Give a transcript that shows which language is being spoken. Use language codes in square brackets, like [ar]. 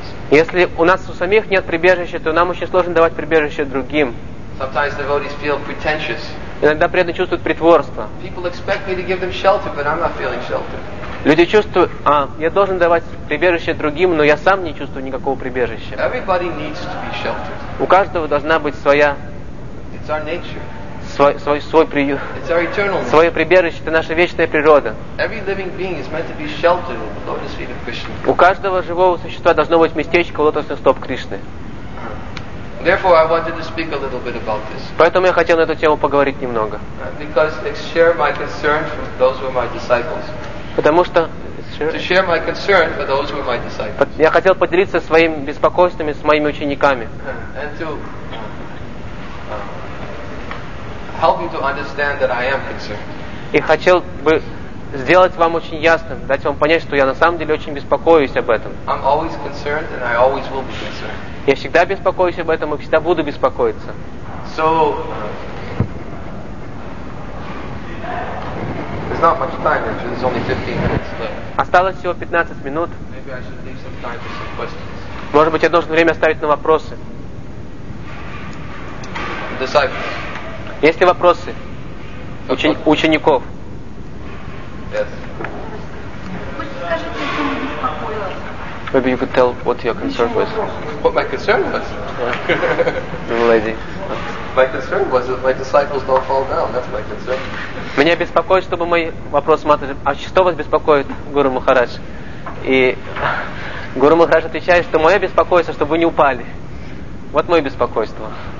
[ru] Если у нас у самих нет прибежища, то нам очень сложно давать прибежище другим. [en] Sometimes devotees feel pretentious. [ru] Иногда преданные чувствуют притворство. [en] People expect me to give them shelter, but I'm not feeling shelter. [ru] Люди чувствуют, я должен давать прибежище другим, но я сам не чувствую никакого прибежища. [en] Everybody needs to be sheltered. [ru] У каждого должна быть своя... [en] It's our nature. [ru] Свой приют. [en] It's our eternal nature. [ru] Свое прибежище, это наша вечная природа. [en] Every living being is meant to be sheltered at the lotus feet of Krishna. [ru] У каждого живого существа должно быть местечко у лотосных стоп Кришны. [en] Therefore, I wanted to speak a little bit about this. [ru] Поэтому я хотел на эту тему поговорить немного. [en] Because I share my concern for those who are my disciples. [ru] Потому что [en] to share my concern for those who are my disciples. [ru] Я хотел поделиться своим беспокойством с моими учениками. [en] And to help you to understand that I am concerned. [ru] И хотел бы сделать вам очень ясным, дать вам понять, что я на самом деле очень беспокоюсь об этом. [en] I'm always concerned and I always will be concerned. [ru] Я всегда беспокоюсь об этом и всегда буду беспокоиться. [en] So, there's not much time, actually. There's only 15 minutes left. [ru] Осталось всего 15 минут. [en] Maybe I should leave some time for some questions. [ru] Может быть, я должен время оставить на вопросы. [en] Disciples. [ru] Есть ли вопросы учеников? [en] Yes. Maybe you could tell what your concern was. What my concern was? Yeah. Lady. My concern was that my disciples don't fall down. That's my concern. [ru] Меня беспокоит, чтобы мои вопросы матери. А что вас беспокоит, Гуру Махарадж? И Гуру Махарадж отвечает, что мое беспокойство, чтобы вы не упали. Вот мое беспокойство.